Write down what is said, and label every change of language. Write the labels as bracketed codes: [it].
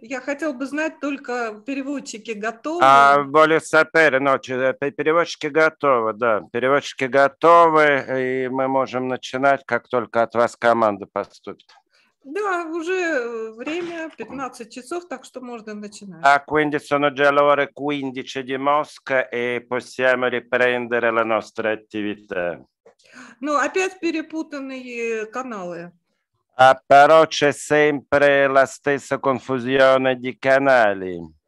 [ru] Я хотел бы знать, только переводчики готовы. [it] Voglio sapere, no, [ru] переводчики готовы, да. Переводчики готовы, и мы можем начинать, как только от вас команда поступит. Да, уже время 15 часов, так что можно начинать. [it] Quindi sono già le ore 15 di Mosca e possiamo riprendere la nostra attività. [ru] Ну, опять перепутанные каналы. [it] Però c'è sempre la stessa confusione di canali.